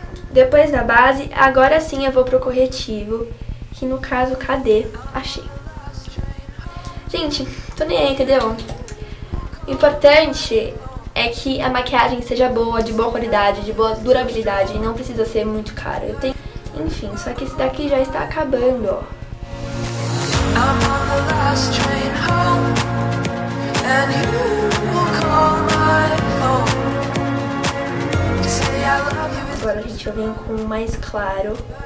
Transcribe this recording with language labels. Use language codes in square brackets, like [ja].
[pt] Depois da base, agora sim eu vou pro corretivo. Que no caso, cadê? Achei. gente, tô nem aí, entendeu? O importante é que a maquiagem seja boa, de boa qualidade, de boa durabilidade, e não precisa ser muito cara. Eu tenho... Enfim, só que esse daqui já está acabando, ó. [en] I'm on the last train home, and you will call my phone. Say I love you. [pt] Agora, gente, eu venho com o mais claro.